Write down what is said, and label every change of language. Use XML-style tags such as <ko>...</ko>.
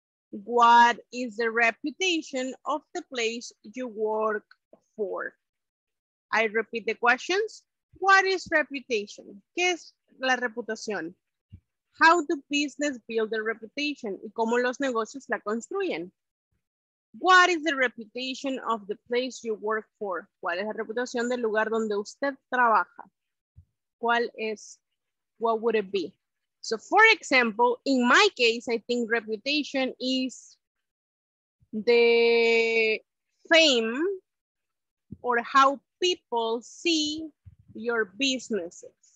<en>What is the reputation of the place you work for? I repeat the questions. What is reputation?</en> <es>¿Qué es la reputación?</es> <en>How do business build their reputation?</en> <es>¿Y cómo los negocios la construyen?</es> <en>What is the reputation of the place you work for?</en> <es>¿Cuál es la reputación del lugar donde usted trabaja? ¿Cuál es?</es> <en>What would it be? So, for example, in my case, I think reputation is the fame or how people see your businesses.</en>